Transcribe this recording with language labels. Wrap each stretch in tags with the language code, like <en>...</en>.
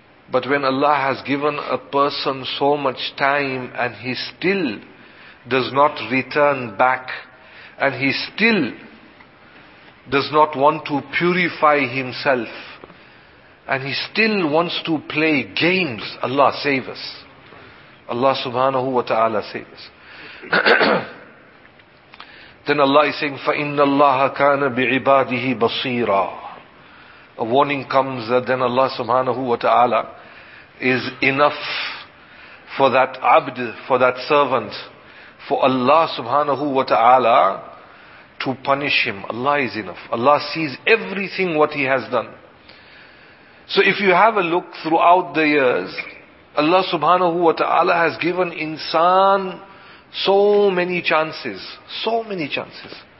<en>But when Allah has given a person so much time and he still does not return back, and he still does not want to purify himself, and he still wants to play games, Allah save us. Allah subhanahu wa ta'ala save us. Then Allah is saying,</en> <ar>فَإِنَّ اللَّهَ كَانَ بِعِبَادِهِ بَصِيرًا.</ar> <en>A warning comes that then Allah subhanahu wa ta'ala is enough for that abd, for that servant, for Allah subhanahu wa ta'ala to punish him. Allah is enough. Allah sees everything what he has done. So if you have a look throughout the years, Allah subhanahu wa ta'ala has given insan so many chances. So many chances.</en>